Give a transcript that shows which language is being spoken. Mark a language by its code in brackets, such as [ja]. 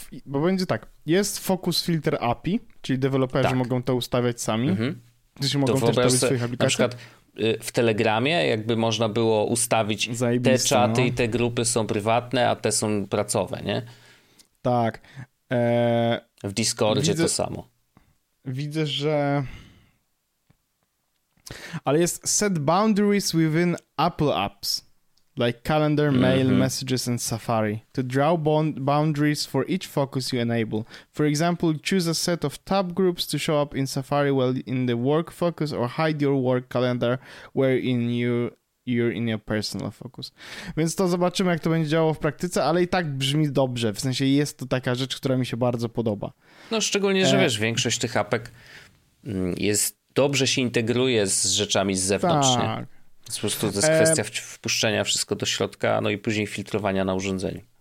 [pl] Bo będzie tak, jest fokus filter API, czyli deweloperzy mogą to ustawiać sami. Gdzie się mogą też dobrać swoich aplikacji. Na przykład w Telegramie jakby można było ustawić zajebiste, te czaty i te grupy są prywatne, a te są pracowe, nie? Tak. W Discordzie widzę, to samo. Widzę, że... Ale jest [en] set boundaries within Apple apps, like calendar, mail, messages and Safari, to draw boundaries for each focus you enable. For example, choose a set of tab groups to show up in Safari while in the work focus or hide your work calendar where in you're in your personal focus. [pl] Więc to zobaczymy, jak to będzie działało w praktyce, ale i tak brzmi dobrze. W sensie jest to taka rzecz, która mi się bardzo podoba. No szczególnie, że wiesz, większość tych apek jest dobrze się integruje z rzeczami z zewnątrz, tak. Nie? Po prostu to jest kwestia wpuszczenia wszystko do środka, no i później filtrowania na urządzeniu.